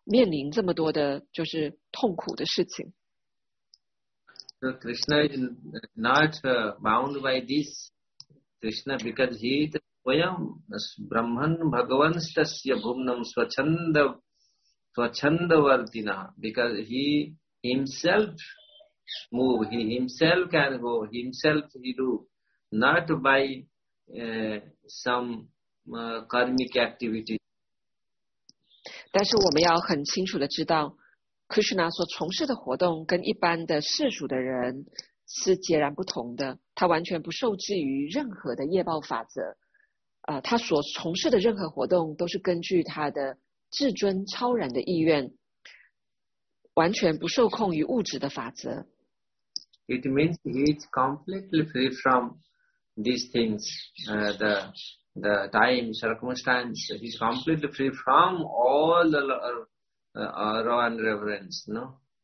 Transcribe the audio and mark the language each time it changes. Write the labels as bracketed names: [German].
[Chinese] 他们之所以受苦，有那么多的痛苦呢，是由于之前他们所从事的罪恶活动的反应，才会招致自己面临这么多的就是痛苦的事情。 [English] So Krishna is not bound by this Krishna because he is [Sanskrit] Vayam Brahman Bhagavan Stasya Bhumnam Swachanda Vartina [English] because he himself move, he himself can go, himself he do, not by karmic activity. [Chinese] 但是我们要很清楚地知道, Krishna 所从事的活动跟一般的世俗的人是截然不同的，他完全不受制于任何的业报法则，他所从事的任何活动都是根据他的至尊超然的意愿，完全不受控于物质的法则。 [English] It means he is completely free from these things, the time, circumstance. He is completely free from all the awe and reverence, no?